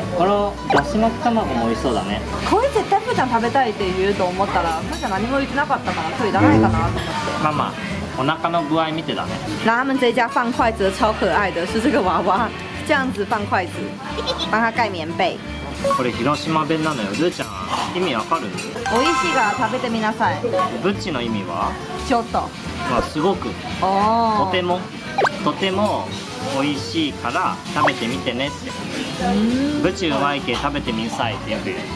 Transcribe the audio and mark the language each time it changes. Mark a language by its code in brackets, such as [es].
[ja] このだし巻き卵も美味しそうだね。これ絶対ふーちゃん食べたいって言うと思ったら、ふーちゃん何も言ってなかったから、それいらないかなと思って。まあまあ、お腹の具合見てだね。 [zh] 那他们这家放筷子的超可爱的，是这个娃娃，这样子放筷子，帮他盖棉被。 [ja] これ広島弁なのよ、ルーちゃん意味わかる？おいしいから食べてみなさい。ブッチの意味は？ちょっと。まあすごく。おお。とてもとてもおいしいから食べてみてねって。ブッチうまいけ食べてみさいってやつ。